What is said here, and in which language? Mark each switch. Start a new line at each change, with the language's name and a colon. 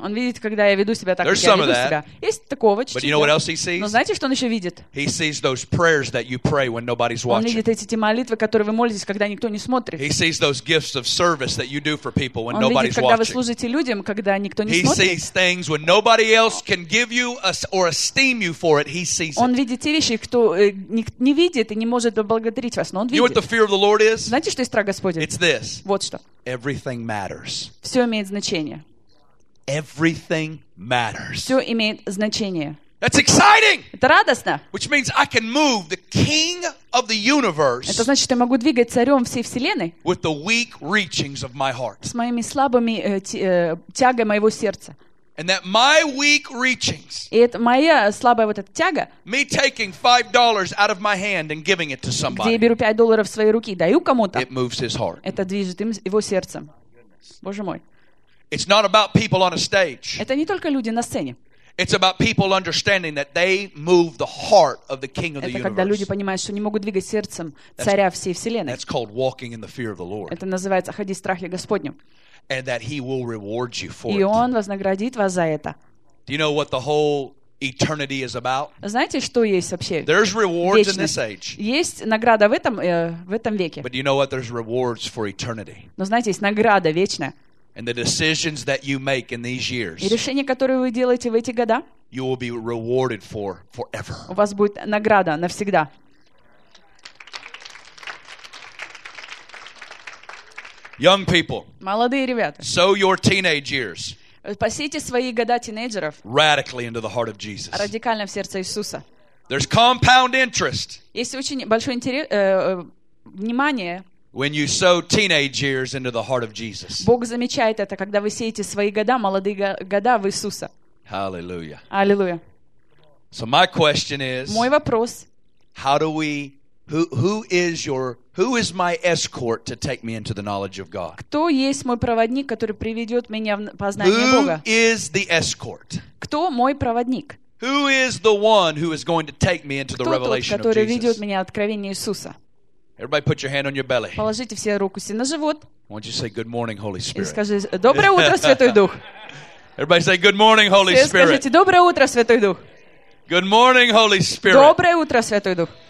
Russian: Он видит, когда я веду себя так, как я веду себя. Есть такого чуть-чуть.
English: But you know what else he sees?
Russian: Но знаете, что он еще видит?
English: He sees those prayers that you pray when nobody's watching.
Russian: Он видит эти молитвы, которые вы молитесь, когда никто не смотрит.
English: He sees those gifts of service that you do for people when
Russian: он
English: nobody's
Russian: видит, когда
English: watching.
Russian: Вы служите людям, когда никто не
English: he
Russian: смотрит.
English: Sees things when nobody else can give you or esteem you for it. He sees
Russian: он
English: it.
Russian: Видит те вещи, кто не видит и не может благодарить вас, но он видит. Знаете, что есть страх Господень? Вот что.
English: Everything matters.
Russian: Все имеет значение.
English: Everything matters.
Russian: Все имеет значение.
English: That's exciting.
Russian: Это радостно.
English: Which means I can move the king of the universe.
Russian: Это значит, что я могу двигать царем всей вселенной.
English: With the weak reachings of my heart.
Russian: С моими слабыми тягой моего сердца.
English: And that my weak reachings.
Russian: И это моя слабая вот эта тяга.
English: Me taking $5 out of my hand and giving it to somebody.
Russian: Где я беру $5 в свои руки и даю кому-то.
English: It moves his heart.
Russian: Это движет его сердцем. Боже мой.
English: It's not about people on a stage.
Russian: Это не только люди на сцене.
English: It's about people understanding that they move the heart of the King of the universe.
Russian: Это когда люди понимают, что не могут двигать сердцем царя всей вселенной.
English: That's called walking in the fear of the Lord.
Russian: Это называется ходить в страхе Господнем.
English: And that He will reward you for it.
Russian: И он вознаградит вас за это.
English: Do you know what the whole eternity is about?
Russian: Знаете, что есть вообще?
English: There's rewards in this age.
Russian: Есть награда в этом веке.
English: But do you know what? There's rewards for eternity.
Russian: Но знаете, есть награда вечная.
English: And the decisions that you make in these years.
Russian: И решения, которые вы делаете в эти года.
English: You will be rewarded for forever.
Russian: У вас будет награда навсегда.
English: Young people,
Russian: молодые ребята,
English: sow your teenage years,
Russian: посейте свои года тинейджеров,
English: radically into the heart of Jesus,
Russian: радикально в сердце Иисуса.
English: There's compound interest.
Russian: Есть очень большой интерес, внимание.
English: When you sow teenage years into the heart of Jesus,
Russian: Бог замечает это, когда вы сеете свои года, молодые года в Иисуса.
English: Hallelujah. Hallelujah. So my question is,
Russian: мой вопрос,
English: how do we Who is my escort to take me into the knowledge of God?
Russian: Кто есть мой проводник, который приведет меня в познание
English: who
Russian: Бога?
English: Who is the escort?
Russian: Кто мой проводник?
English: Who is the one who is going to take me into the revelation of Jesus?
Russian: Кто тот, который ведет меня в откровение Иисуса?
English: Everybody, put your hand on your belly.
Russian: Положите все руку себе на живот.
English: Won't you say good morning, Holy Spirit?
Russian: И скажи доброе утро, Святой Дух.
English: Everybody, say good morning, Holy Spirit.
Russian: Все скажите доброе утро, Святой Дух.
English: Good morning, Holy Spirit.
Russian: Доброе утро, Святой Дух.